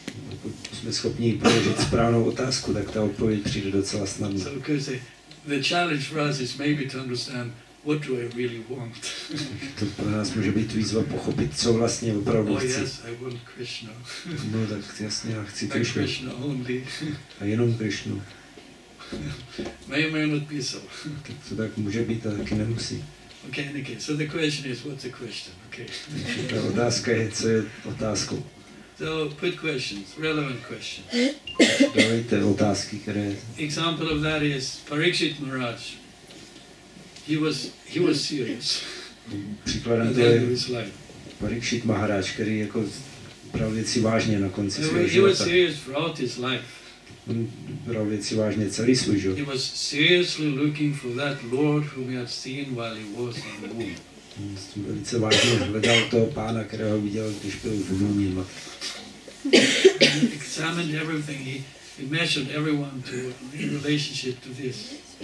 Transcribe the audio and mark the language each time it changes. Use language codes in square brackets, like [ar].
[cs] Pokud jsme schopni položit správnou otázku, tak ta odpověď přijde docela snadno. [en] So could say, the challenge for us is maybe to understand what do I really want. [cs] To pro nás může být výzva pochopit, co vlastně opravdu chci. [en] Oh yes, I want Krishna. [cs] No tak jasně, já chci Krishnu. [en] Krishna only. [cs] A jenom Krishnu. [en] May or may not be so. [cs] Tak to tak může být a taky nemusí. [en] Okay, in the case. So the question is, what's the question? Okay. [cs] Ta otázka je, co je otázkou. [en] So put questions, relevant questions. [cs] Dávejte otázky, které. [en] Example of that is Parikshit Maharaj. He was serious. [cs] Příkladem to je Parikshit Maharaj, který jako bral věci vážně na konci svého života. [en] He was serious throughout his life. [cs] Bral věci vážně celý svůj život. [en] He was seriously looking for that Lord whom he had seen while he was in the womb. [cs] Velice vážně hledal toho pána, kterého viděl, když byl v mumí matky. [en] Examined everything. He measured everyone to in relationship to this.